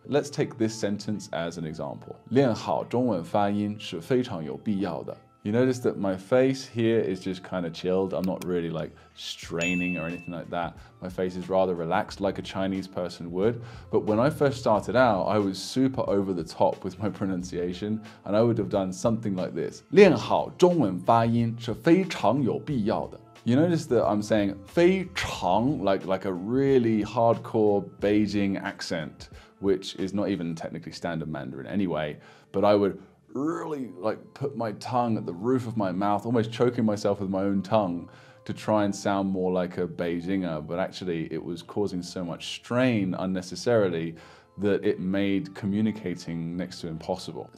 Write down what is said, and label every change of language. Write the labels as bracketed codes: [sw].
[en] Let's take this sentence as an example. [zh] 练好中文发音是 [en] You notice that my face here is just kind of chilled. I'm not really like straining or anything like that. My face is rather relaxed, like a Chinese person would. But when I first started out, I was super over the top with my pronunciation, and I would have done something like this. [zh] 练好中文发音是非常有必要的. [en] You notice that I'm saying 非常, like a really hardcore Beijing accent, which is not even technically standard Mandarin anyway, but I would really like put my tongue at the roof of my mouth, almost choking myself with my own tongue to try and sound more like a Beijinger, but actually it was causing so much strain unnecessarily that it made communicating next to impossible.